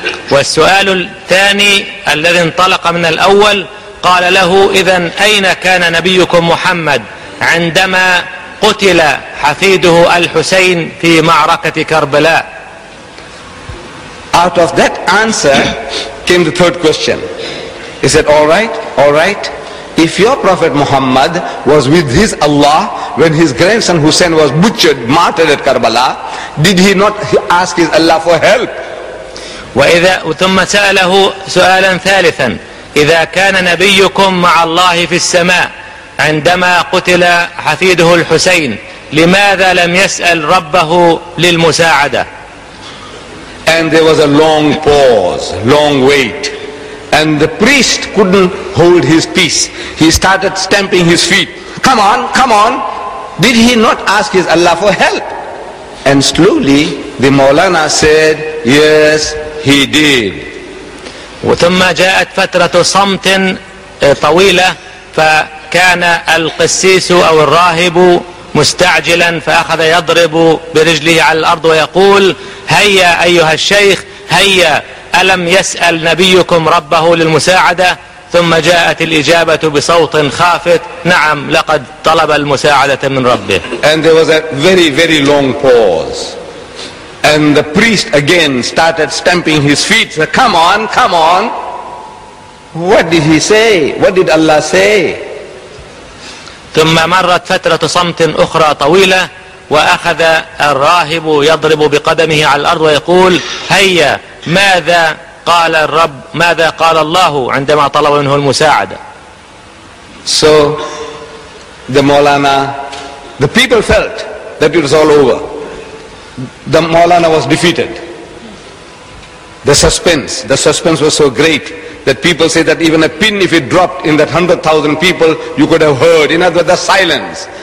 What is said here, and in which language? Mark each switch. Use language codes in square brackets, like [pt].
[ar] والسؤال الثاني الذي انطلق من الأول قال له إذا أين كان نبيكم محمد عندما قتل حفيده الحسين في معركة كربلاء؟ [en] Out of that answer came the third question. He said, all right, if your Prophet Muhammad was with his Allah when his grandson Hussein was butchered, martyred at Karbala, did he not ask his Allah for help? [ar] وإذا ثم سأله سؤالا ثالثا إذا كان نبيكم مع الله في السماء عندما قتل حفيده الحسين لماذا لم يسأل ربه للمساعدة؟ [en] And there was a long pause, long wait. And the priest couldn't hold his peace. He started stamping his feet. Come on. Did he not ask his Allah for help? And slowly the Maulana said, yes, he did. [ar] وثم جاءت فترة صمت طويلة فكان القسيس أو الراهب مستعجلا فأخذ يضرب برجله على الأرض ويقول هيا أيها الشيخ هيا ألم يسأل نبيكم ربه للمساعدة؟ ثم جاءت الإجابة بصوت خافت نعم لقد طلب المساعدة من ربه. [en] And there was a very very long pause. And the priest again started stamping his feet. So, come on. What did he say? What did Allah say? [ar] ثم مرت فترة صمت أخرى طويلة وأخذ الراهب يضرب بقدمه على الأرض ويقول هيا ماذا قال الرب ماذا قال الله عندما طلب منه المساعدة. [en] So the Maulana, the people felt that it was all over. The Maulana was defeated. The suspense was so great that people say that even a pin if it dropped in that 100,000 people you could have heard. In other words, the silence.